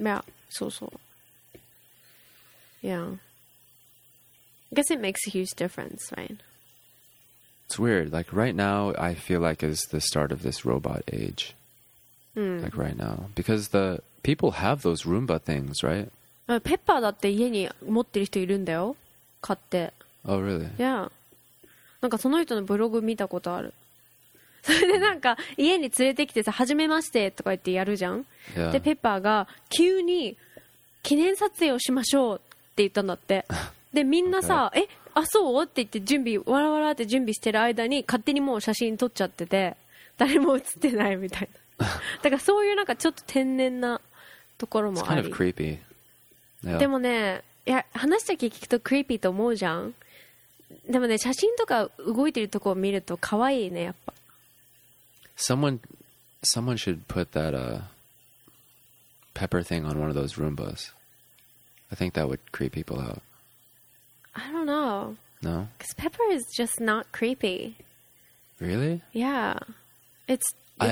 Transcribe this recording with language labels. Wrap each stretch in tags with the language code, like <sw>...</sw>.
<en>Yeah. So. Yeah. I guess it makes a huge difference, right? It's weird. Like, right now, I feel like is the start of this robot age. Mm. Like, right now. Because the people have those Roomba things, right?</en> <ja>ペッパーだって家に持ってる人いるんだよ。買って。</ja> <en>Oh, really? Yeah.</en> <ja>なんかその人のブログ見たことある。それでなんか家に連れてきてさ、はじめましてとか言ってやるじゃん。</ja> <en>Yeah.</en> <ja>で、ペッパーが急に記念撮影をしましょうって言ったんだって。で、みんなさ、okay. え、あ、そうって言って準備、わらわらって準備してる間に勝手にもう写真撮っちゃってて、誰も写ってないみたいな。だからそういうなんかちょっと天然なところもあり。</ja> <en>It's kind of creepy. Yeah.</en> <ja>でもね、いや話だけ聞くとクリーピーと思うじゃん。でもね、写真とか動いてるとこを見ると可愛いね、やっぱ。</ja> <en>Someone should put that pepper thing on one of those Roombas. I think that would creep people out. I don't know. No? Because pepper is just not creepy. Really? Yeah. It's cute.</en>